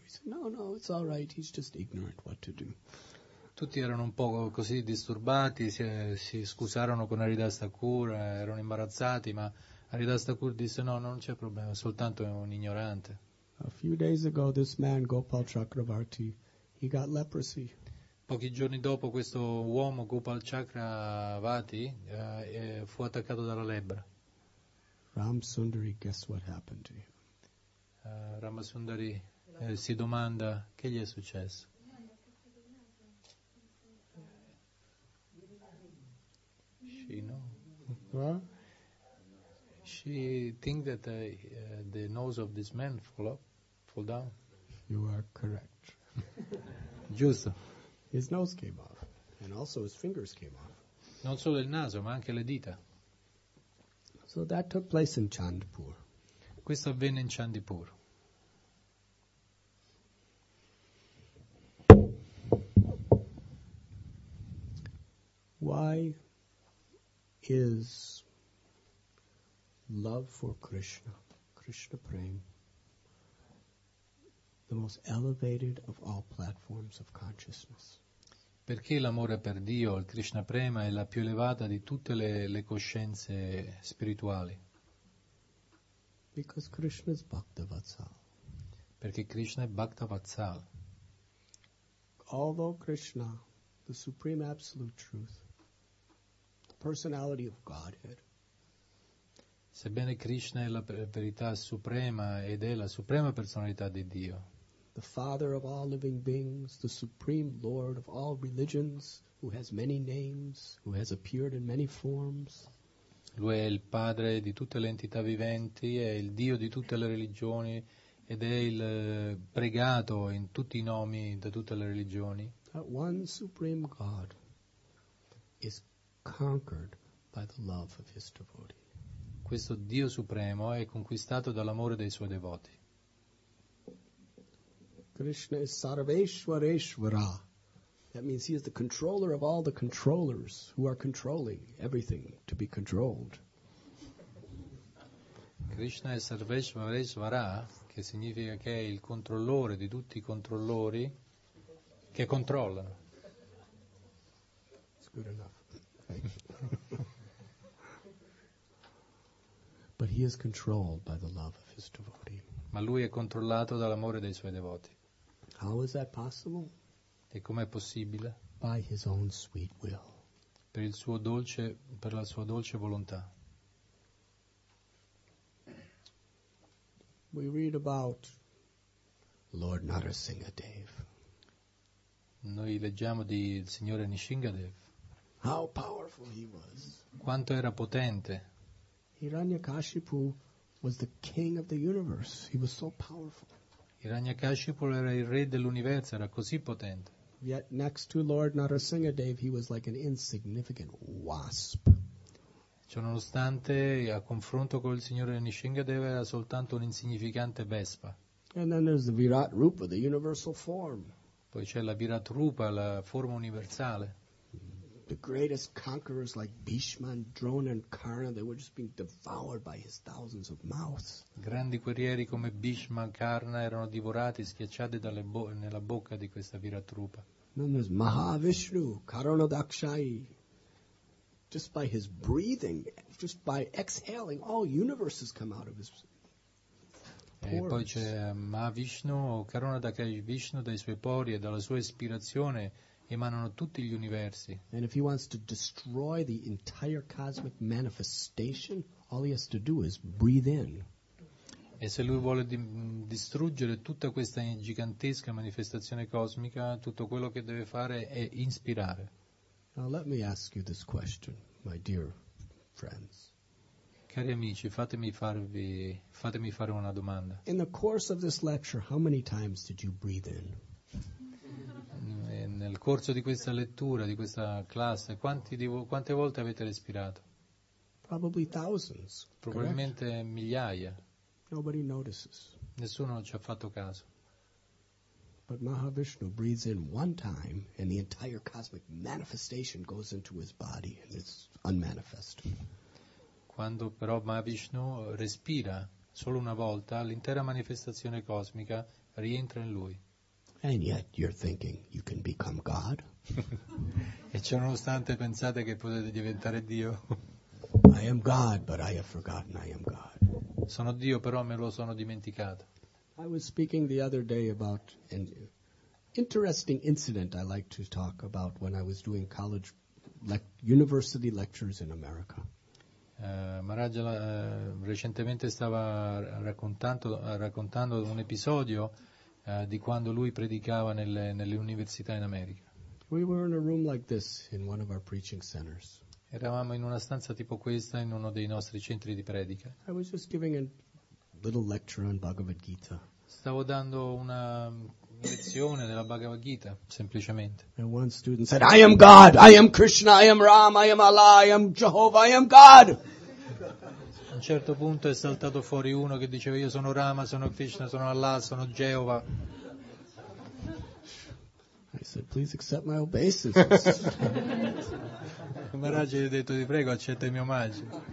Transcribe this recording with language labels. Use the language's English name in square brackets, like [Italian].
[English] He said, no, it's all right. He's just ignorant what to do. [Italian] Tutti erano un po' così disturbati, si scusarono con Haridas Thakur, erano imbarazzati, ma Haridas Thakur disse no, non c'è problema, è soltanto un ignorante. [English] A few days ago this man Gopal Chakravarti, he got leprosy. [Italian] Pochi giorni dopo questo uomo Gopal Chakravarti fu attaccato dalla lebbra. [English] Ram Sundari, guess what happened to him? [Italian] Ramasundari si domanda che gli è successo. [English] She think that the nose of this man fall down. You are correct. [Italian] Giusto. [English] His nose came off, and also his fingers came off. [Italian] Non solo il naso, ma anche le dita. [English] So that took place in Chandpur. [Italian] Questo avvenne in Chandpur. [English] Why is love for Krishna, Krishna Prem, the most elevated of all platforms of consciousness? [Italian] Perché l'amore per Dio, il Krishna Prema, è la più elevata di tutte le coscienze spirituali? [English] Because Krishna is Bhakta Vatsal. [Italian] Perché Krishna è Bhakta Vatsal. [English] Although Krishna, the Supreme Absolute Truth, personality of Godhead. [Italian] Sebbene Krishna è la verità suprema ed è la suprema personalità di Dio. [English] The father of all living beings, the supreme lord of all religions, who has many names, who has appeared in many forms. [Italian] Lui è il padre di tutte le entità viventi, è il Dio di tutte le religioni ed è il pregato in tutti i nomi da tutte le religioni. [English] That one supreme God is conquered by the love of his devotee. [Italian] Questo Dio supremo è conquistato dall'amore dei suoi devoti. [English] Krishna is Sarveshwareshwara. That means he is the controller of all the controllers who are controlling everything to be controlled. [Italian] Krishna è Sarveshwareshwara, che significa che è il controllore di tutti i controllori che controllano. [English] It's good enough. But he is controlled by the love of his devotee. [Italian] Ma lui è controllato dall'amore dei suoi devoti. [English] How is that possible? [Italian] E com'è possibile? [English] By his own sweet will. [Italian] Per la sua dolce volontà. [English] We read about Lord Narasingha Dev. [Italian] Noi leggiamo di il signore Nisingadev. [English] How powerful he was. [Italian] Quanto era potente. [English] Hiranyakashipu was the king of the universe. He was so powerful. [Italian] Hiranyakashipu era il re dell'universo, era così potente. [English] Yet next to Lord Narasingadev, he was like an insignificant wasp. [Italian] Ciononostante, a confronto col signore Nisingadev, era soltanto un'insignificante vespa. [English] And then there's the Virat Rupa, the universal form. [Italian] Poi c'è la Virat Rupa, la forma universale. [English] The greatest conquerors like Bhishma, Drona and Karna, they were just being devoured by his thousands of mouths. [Italian] Grandi guerrieri come Bhishma, Karna erano divorati, schiacciati nella bocca di questa Viratrupa. [English] Then there's Mahavishnu, Karanodakshayi. Just by his breathing, just by exhaling, all universes come out of his pores. [Italian] E poi c'è Mahavishnu, Karanodakshayi Vishnu, dai suoi pori e dalla sua ispirazione emanano tutti gli universi. [English] And if he wants to destroy the entire cosmic manifestation, all he has to do is breathe in. [Italian] E se lui vuole distruggere tutta questa gigantesca manifestazione cosmica, tutto quello che deve fare è inspirare. [English] Now let me ask you this question, my dear friends. [Italian] Cari amici, fatemi fare una domanda. [English] In the course of this lecture, how many times did you breathe in? [Italian] Nel corso di questa lettura, di questa classe, quante volte avete respirato? [English] Probably thousands, [Italian] probabilmente [English] correct? [Italian] Migliaia. [English] Nobody notices. [Italian] Nessuno ci ha fatto caso. [English] But Mahavishnu breathes in one time and the entire cosmic manifestation goes into his body and it's unmanifest. [Italian] Quando però Mahavishnu respira solo una volta, l'intera manifestazione cosmica rientra in lui. [English] And yet you're thinking you can become God. [Italian] E ciò nonostante pensate che potete diventare Dio. [English] I am God, but I have forgotten I am God. [Italian] Sono Dio, però me lo sono dimenticato. [English] I was speaking the other day about an interesting incident I like to talk about when I was doing college university lectures in America. [Italian] Maharaj recentemente stava raccontando un episodio di quando lui predicava nelle università in America. [English] We were in a room like this in one of our preaching centers. [Italian] Eravamo in una stanza tipo questa in uno dei nostri centri di predica. [English] I was just giving a little lecture on Bhagavad Gita. [Italian] Stavo dando una lezione della Bhagavad Gita, semplicemente. [English] And one student said, "I am God, I am Krishna, I am Ram, I am Allah, I am Jehovah, I am God." [Italian] A un certo punto è saltato fuori uno che diceva, "Io sono Rama, sono Krishna, sono Allah, sono Geova." [English] I said, "Please accept my obeisances." [Italian] Maharaj gli ha detto, "Ti prego, accetta il mio omaggio."